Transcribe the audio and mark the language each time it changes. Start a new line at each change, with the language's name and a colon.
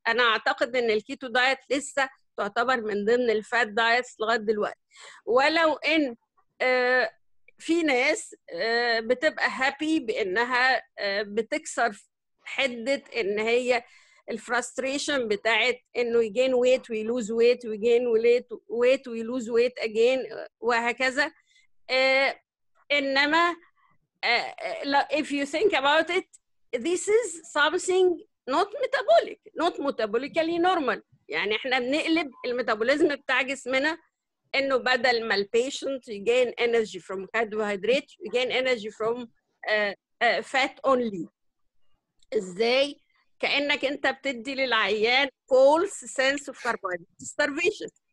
Arabic: انا اعتقد ان الكيتو دايت لسه تعتبر من ضمن الفات دايت لغايه دلوقتي، ولو ان في ناس بتبقى هابي بانها بتكسر حده ان هي الفراستريشن بتاعت انه
English: يجين ويت ويلوز ويت ويجين ويت ويلوز ويت اجين
Arabic: وهكذا. انما
English: if you think about it this is something not metabolic not metabolically normal.
Arabic: يعني احنا بنقلب الميتابوليزم بتاع جسمنا انه بدل ما البيشنت
English: يجين energy from carbohydrates يجين energy from fat only.
Arabic: ازاي؟ كانك انت بتدي للعيان
English: False sense of carbohydrate starvation.